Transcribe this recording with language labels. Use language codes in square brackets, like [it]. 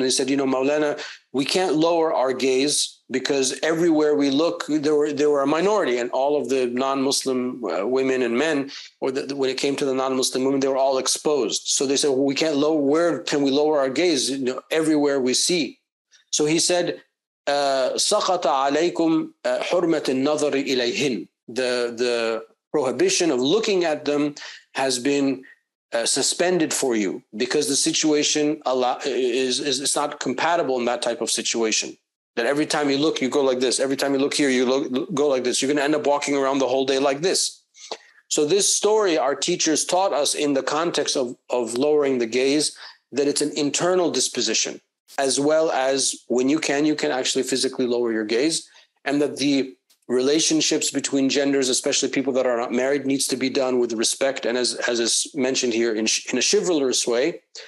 [en] They said, you know, Mawlana, we can't lower our gaze because everywhere we look, there were a minority, and all of the non-Muslim women and men, when it came to the non-Muslim women, they were all exposed. So they said, well, we can't lower, where can we lower our gaze? You know, everywhere we see. So he said, [ar] سَقَطَ عَلَيْكُمْ حُرْمَةِ النَّظَرِ إِلَيْهِنْ. [en] The prohibition of looking at them has been suspended for you because the situation is not compatible in that type of situation. That every time you look, you go like this. Every time you look here, you look, go like this. You're going to end up walking around the whole day like this. So this story, our teachers taught us in the context of lowering the gaze, that it's an internal disposition, as well as when you can actually physically lower your gaze, and that the relationships between genders, especially people that are not married, needs to be done with respect and, as is mentioned here, in a chivalrous way.